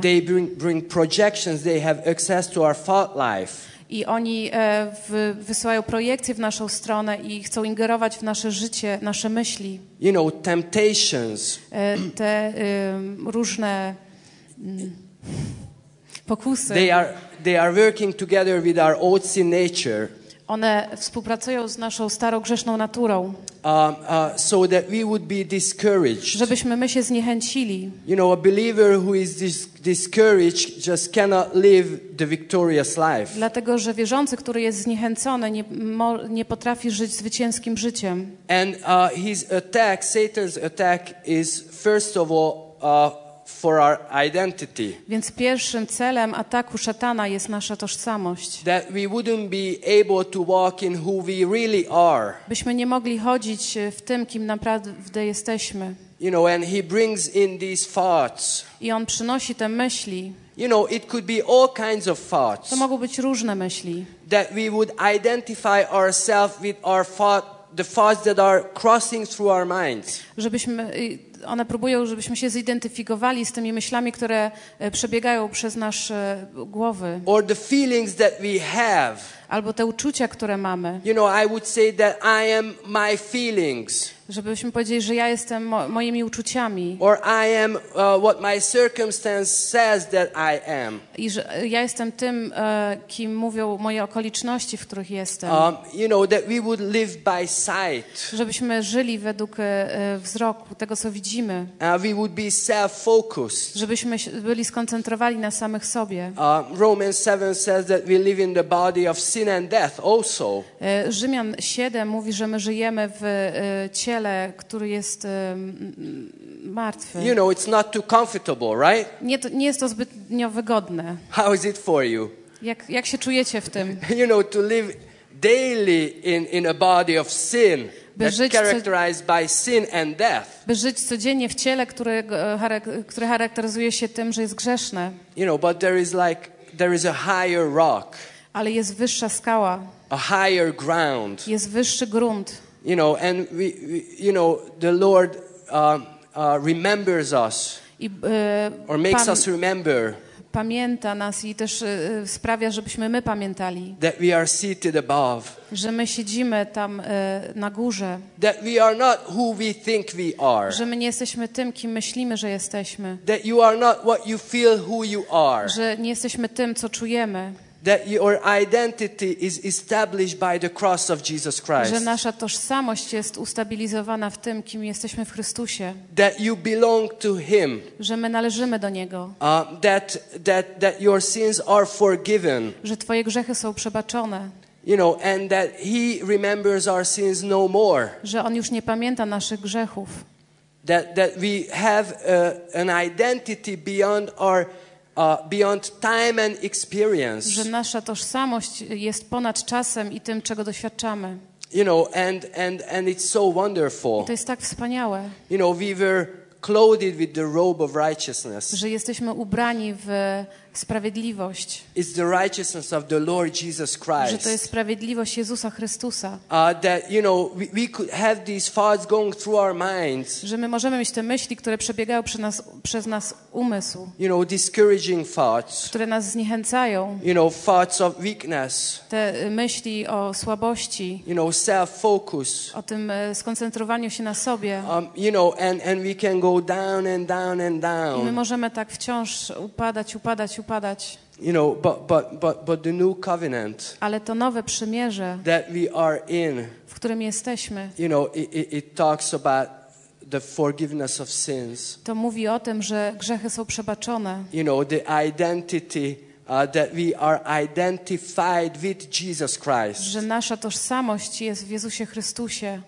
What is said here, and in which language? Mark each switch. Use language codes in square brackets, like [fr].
[en] They bring projections. They have access to our thought life. [pl] I oni wysyłają projekcje w naszą stronę i chcą ingerować w nasze życie, nasze myśli. [en] You know, temptations. [pl] Te różne pokusy. [en] They are working together with our old sin nature. [pl] One współpracują z naszą starą grzeszną naturą. [en] So that we would be discouraged. [pl] Żebyśmy my się zniechęcili. [en] You know, a believer who is discouraged just cannot live the victorious life. [pl] Dlatego, że wierzący, który jest zniechęcony, nie potrafi żyć zwycięskim życiem. [en] And his attack, Satan's attack is first of all for our identity. [pl] Więc pierwszym celem ataku szatana jest nasza tożsamość. [en] That we wouldn't be able to walk in who we really are. [pl] Byśmy nie mogli chodzić w tym, kim naprawdę jesteśmy. [en] You know, and he brings in these thoughts. [pl] I on przynosi te myśli. [en] You know, it could be all kinds of thoughts. [pl] To mogą być różne myśli. [en] That we would identify ourselves with our thought, the thoughts that are crossing through our minds. [pl] Żebyśmy one próbują, żebyśmy się zidentyfikowali z tymi myślami, które przebiegają przez nasze głowy. [en] Or the feelings that we have. [pl] Albo te uczucia, które mamy. [en] You know, I would say that I am my feelings. [pl] Żebyśmy powiedzieli, że ja jestem moimi uczuciami. [en] Or I am what my circumstance says that I am. [pl] I że ja jestem tym, kim mówią moje okoliczności, w których jestem. [en] You know, that we would live by sight. [pl] Żebyśmy żyli według wzroku, tego co widzimy. [en] We would be self-focused. [pl] Żebyśmy byli skoncentrowani na samych sobie. [en] Romans 7 says that we live in the body of sin and death also. [pl] Rzymian 7 mówi, że my żyjemy w ciele, który jest martwy. [en] You know, it's not too comfortable, right? [pl] Nie jest to zbytnio wygodne. [en] How is it for you? [pl] Jak się czujecie w tym? [en] You know, to live daily in a body of sin that's characterized by sin and death. [pl] By żyć codziennie w ciele, które charakteryzuje się tym, że jest grzeszne. [en] You know, but there is a higher rock. [pl] Ale jest wyższa skała. [en] A higher ground. [pl] Jest wyższy grunt. [en] You know, and we, you know, the Lord remembers us, or makes us remember. [pl] pamięta nas i też sprawia, żebyśmy my pamiętali, [en] that we are seated above, [pl] że my siedzimy tam na górze, [en] that we are not who we think we are, [pl] że my nie jesteśmy tym, kim myślimy, że jesteśmy, [en] that you are not what you feel who you are, [pl] że nie jesteśmy tym, co czujemy, [en] that your identity is established by the cross of Jesus Christ, [pl] że nasza tożsamość jest ustabilizowana w tym, kim jesteśmy w Chrystusie, [en] that you belong to him, [pl] że my należymy do niego, [en] that your sins are forgiven, [pl] że twoje grzechy są przebaczone, [en] you know, and that he remembers our sins no more, [pl] że on już nie pamięta naszych grzechów, [en] that we have an identity beyond our beyond time and experience, [pl] że nasza tożsamość jest ponad czasem i tym, czego doświadczamy. [en] You know, and it's so wonderful. [pl] I to jest tak wspaniałe. [en] You know, we were clothed with the robe of righteousness, [pl] że jesteśmy ubrani w sprawiedliwość. [en] It's the righteousness of the Lord Jesus Christ. [pl] Że to jest sprawiedliwość Jezusa Chrystusa. [en] That you know, we could have these thoughts going through our minds. [pl] Że my możemy mieć te myśli, które przebiegają przez nas umysł. [en] You know, discouraging thoughts. [pl] Które nas zniechęcają. [en] You know, thoughts of weakness. [pl] Te myśli o słabości. [en] You know, self-focus. [pl] O tym skoncentrowaniu się na sobie. [en] You know, and we can go down and down and down. [pl] I my możemy tak wciąż upadać. [en] You know, but the new covenant, [pl] ale to nowe przymierze, [en] that we are in, [pl] w którym jesteśmy, [en] you know, it talks about the forgiveness of sins. [pl] To mówi o tym, że grzechy są przebaczone. [en] You know, the identity, that we are identified with Jesus Christ. [pl] Że nasza tożsamość jest w Jezusie Chrystusie.